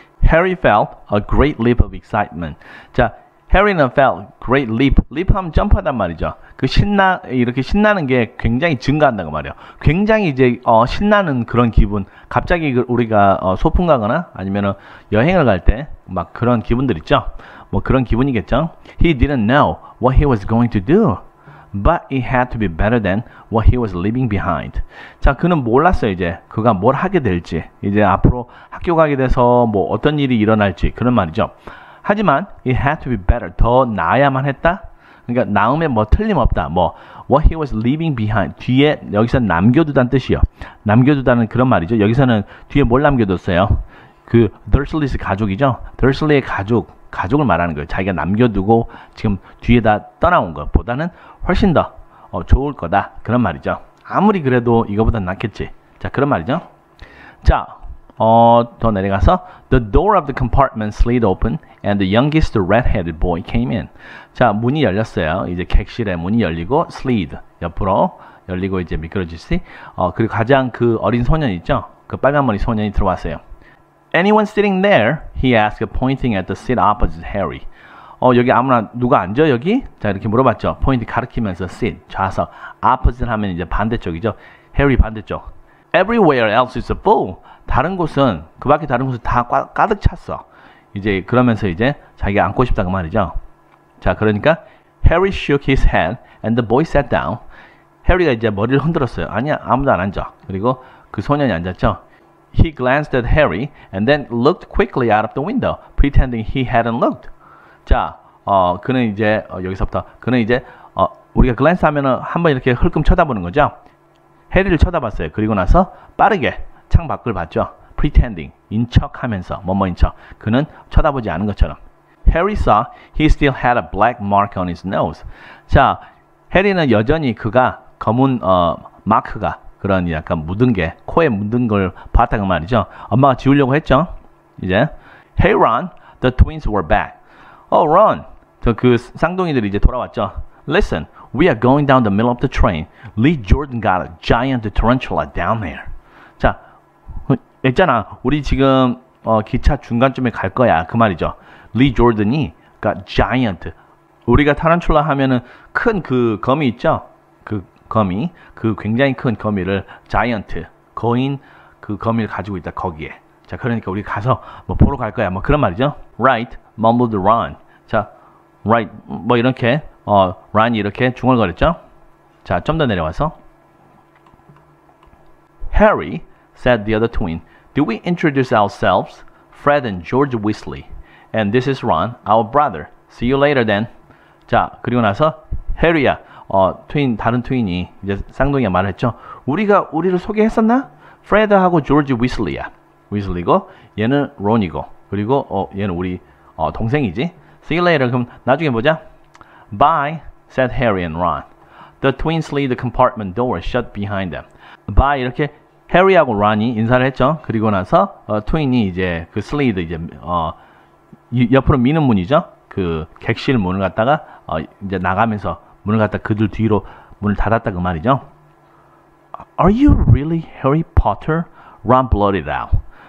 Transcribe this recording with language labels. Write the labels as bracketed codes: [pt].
[en] Harry felt a great leap of excitement. [ko] 자, [en] Harry는 felt great leap. [ko] Leap 하면 점프하단 말이죠. 그 이렇게 신나는 게 굉장히 증가한다고 말이에요. 굉장히 이제 신나는 그런 기분. 갑자기 우리가 소풍 가거나 아니면 여행을 갈 때 막 그런 기분들 있죠. 뭐 그런 기분이겠죠. [en] He didn't know what he was going to do. But it had to be better than what he was leaving behind. [ko] 자, 그는 몰랐어요, 이제. 그가 뭘 하게 될지. 이제 앞으로 학교 가게 돼서 뭐 어떤 일이 일어날지. 그런 말이죠. 하지만, [en] it had to be better. [ko] 더 나아야만 했다. 그러니까, 나음에 뭐 틀림없다. [en] 뭐, what he was leaving behind. [ko] 뒤에, 여기서 남겨두다는 뜻이요. 남겨두다는 그런 말이죠. 여기서는 뒤에 뭘 남겨뒀어요? 그, Dursley's 가족이죠. Dursley의 가족. 가족을 말하는 거예요. 자기가 남겨두고 지금 뒤에다 떠나온 것보다는 훨씬 더 좋을 거다. 그런 말이죠. 아무리 그래도 이거보다 낫겠지. 자, 그런 말이죠. 자, 더 내려가서 [en] The door of the compartment slid open and the youngest red-headed boy came in. [ko] 자, 문이 열렸어요. 이제 객실에 문이 열리고 slid 옆으로 열리고 이제 미끄러지지. 그리고 가장 그 어린 소년 있죠. 그 빨간 머리 소년이 들어왔어요. [en] Anyone sitting there? He asked, pointing at the seat opposite Harry. [ko] 여기 아무나 누가 앉아 여기? 자 이렇게 물어봤죠. Point 가리키면서 seat 좌석. Opposite 하면 이제 반대쪽이죠. Harry 반대쪽. [en] Everywhere else is full. [ko] 다른 곳은 그밖에 다른 곳은 다 가득 찼어. 이제 그러면서 이제 자기가 앉고 싶다고 말이죠. 자 그러니까 [en] Harry shook his head and the boy sat down. [ko] Harry가 이제 머리를 흔들었어요. 아니야 아무도 안 앉아. 그리고 그 소년이 앉았죠. [en] He glanced at Harry and then looked quickly out of the window, pretending he hadn't looked. [ko] 자, 그는 이제 여기서부터 그는 이제 우리가 glance 하면은 한번 이렇게 흘끔 쳐다보는 거죠. 해리를 쳐다봤어요. 그리고 나서 빠르게 창 밖을 봤죠. Pretending, 인척하면서 뭐뭐 인척. 그는 쳐다보지 않은 것처럼. [en] Harry saw he still had a black mark on his nose. [ko] 자, 해리는 여전히 그가 검은 마크가 그런 약간 묻은 게 코에 묻은 걸 봤다고 말이죠. 엄마가 지우려고 했죠. 이제 [en] Hey Ron, the twins were back. [ko] Oh Ron, 그 쌍둥이들이 이제 돌아왔죠. [en] Listen, we are going down the middle of the train. Lee Jordan got a giant tarantula down there. [ko] 자, 있잖아. 우리 지금 기차 중간쯤에 갈 거야. 그 말이죠. Lee Jordan이 got giant. 우리가 타란출라 하면은 큰 그 거미 있죠. 거미, 그 굉장히 큰 거미를 자이언트, 거인 그 거미를 가지고 있다 거기에. 자, 그러니까 우리 가서 뭐 보러 갈 거야. 뭐 그런 말이죠. [en] Right, mumbled Ron. [ko] 자, right 뭐 이렇게 Ron 이렇게 중얼거렸죠. [en] 자, 좀 더 내려와서 Harry said the other twin, "Do we introduce ourselves? Fred and George Weasley. And this is Ron, our brother. See you later then." [ko] 자, 그리고 나서 해리야 다른 트윈이 이제 쌍둥이가 말했죠. 우리가 우리를 소개했었나? 프레드하고 조지 위슬리야. 위슬리고 얘는 론이고 그리고 얘는 우리 동생이지. [en] See you later. [ko] 그럼 나중에 보자. [en] Bye, said Harry and Ron. The twins leave the compartment door shut behind them. [ko] Bye, 이렇게 해리하고 론이 인사를 했죠. 그리고 나서 트윈이 이제 그 슬레이드 이제 옆으로 미는 문이죠. 그 객실 문을 갖다가 이제 나가면서 문을 갖다 그들 뒤로 문을 닫았다 그 말이죠. [en] Are you really Harry Potter? Ron blurted out.